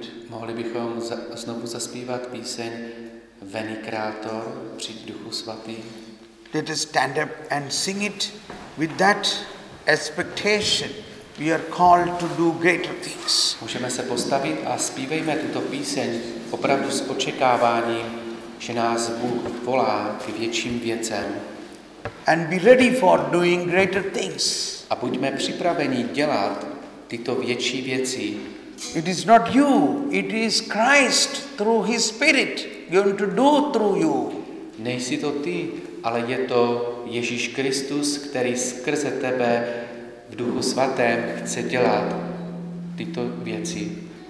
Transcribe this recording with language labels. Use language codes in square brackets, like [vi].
[cs] Mohli bychom znovu zaspívat píseň Veni Creator, přijď Duchu svatý. [en] Let us stand up and sing it with that expectation. We are called to do greater things. [cs] Můžeme se postavit a zpívejme tuto píseň opravdu s očekáváním, že nás Bůh volá k větším věcem. [en] And be ready for doing greater things. [cs] A buďme připraveni dělat tyto větší věci. [en] It is not you, it is Christ through his spirit going to do through you. [cs] Nejsi to ty, ale je to Ježíš Kristus, který skrze tebe v Duchu svatém chce dělat tyto věci.